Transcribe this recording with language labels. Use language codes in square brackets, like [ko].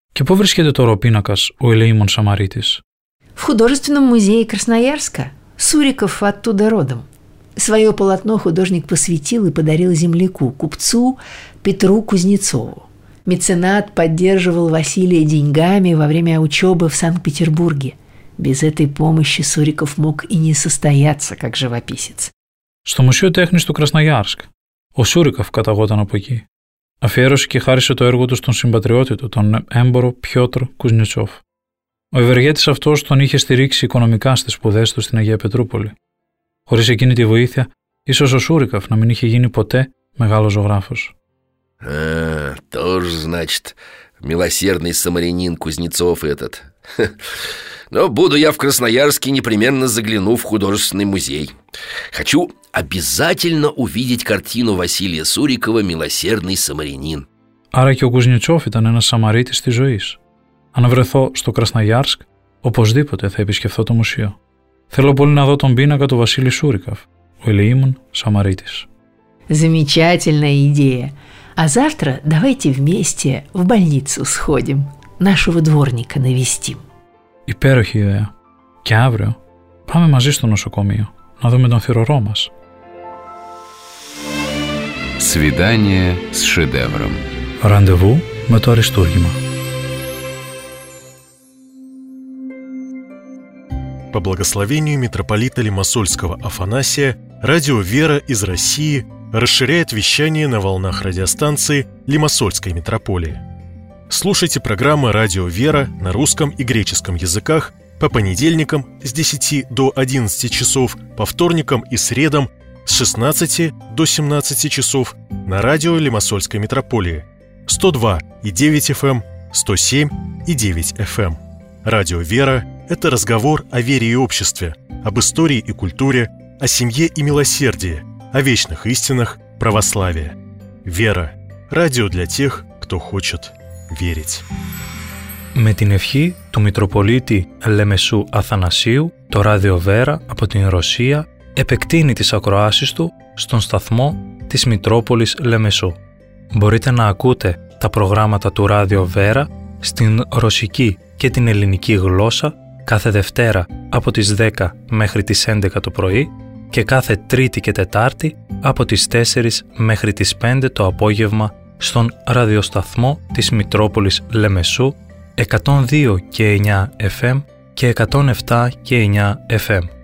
[el] Και πού βρίσκεται τώρα ο πίνακας, ο Ελεήμων Σαμαρίτης? [ru] В художественном музее Красноярска. Суриков оттуда родом. Своё полотно художник посвятил и подарил земляку, купцу Петру Кузнецову. Меценат поддерживал Василия деньгами во время учёбы в Санкт-Петербурге. Без этой помощи Суриков мог и не состояться как живописец. [el] Στο Μουσείο Τέχνης του Κρασναγιάρσκ, ο Σούρικοφ καταγόταν από εκεί. Αφιέρωσε και χάρισε το έργο του στον συμπατριώτη του, τον έμπορο Πιότρ Κουζνιτσόφ. Ο ευεργέτης αυτός τον είχε στηρίξει οικονομικά στις σπουδές του στην Αγία Πετρούπολη. Χωρίς εκείνη τη βοήθεια, ίσως ο Σούρικοφ να μην είχε γίνει ποτέ μεγάλος ζωγράφος. Τόσο, [ru] значит, милосердный самарянин Кузнецов этот. Но буду я в Красноярске, непременно загляну в художественный музей. Хочу обязательно увидеть картину Василия Сурикова «Милосердный самарянин». [el] Άρα και ο Κουζνιτσόφ ήταν ένας Σαμαρίτης της ζωής. Αν βρεθώ στο Κρασναγιάρσκ, οπωσδήποτε θα επισκεφθώ το μουσείο. Θέλω πολύ να δω τον πίνακα του Βασίλη Σούρικαφ, ο ελεήμων Σαμαρίτης. [ru] Замечательная идея. А завтра давайте вместе в больницу сходим, нашего дворника навестим. [el] Υπέροχη ιδέα. Και αύριο πάμε μαζί στο νοσοκομείο να δούμε τον θηρωρό μας. [ru] Свидание с шедевром. [el] Ραντεβού με το αριστούργημα. [ru] По благословению митрополита Лимассольского Афанасия, радио «Вера» из России расширяет вещание на волнах радиостанции Лимассольской митрополии. Слушайте программы «Радио «Вера» на русском и греческом языках по понедельникам с 10 до 11 часов, по вторникам и средам с 16 до 17 часов на радио Лимассольской митрополии 102.9 FM, 107.9 FM. Радио «Вера» – это разговор о вере и обществе, об истории и культуре, о семье и милосердии, о вечных истинах православия. «Вера» – радио для тех, кто хочет верить. [el] Με την ευχή του Μητροπολίτη Λεμεσού Αθανασίου, το Ράδιο Βέρα από την Ρωσία επεκτείνει τις ακροάσεις του στον σταθμό της Μητρόπολης Λεμεσού. Μπορείτε να ακούτε τα προγράμματα του Ράδιο Βέρα στην ρωσική και την ελληνική γλώσσα κάθε Δευτέρα από τις 10 μέχρι τις 11 το πρωί και κάθε Τρίτη και Τετάρτη από τις 4 μέχρι τις 5 το απόγευμα στον ραδιοσταθμό της Μητρόπολης Λεμεσού 102 και 9 FM και 107 και 9 FM.